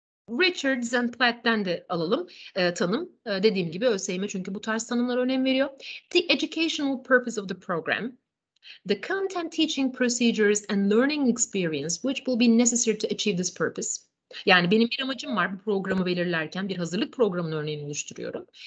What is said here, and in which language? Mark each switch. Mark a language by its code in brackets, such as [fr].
[tr] Richards and Platt'ten de alalım tanım. Dediğim gibi ÖSYM çünkü bu tarz tanımlara önem veriyor. [en] The educational purpose of the program, the content teaching procedures and learning experience which will be necessary to achieve this purpose. [tr] Yani benim bir amacım var bu programı belirlerken, bir hazırlık programının örneğini oluşturuyorum.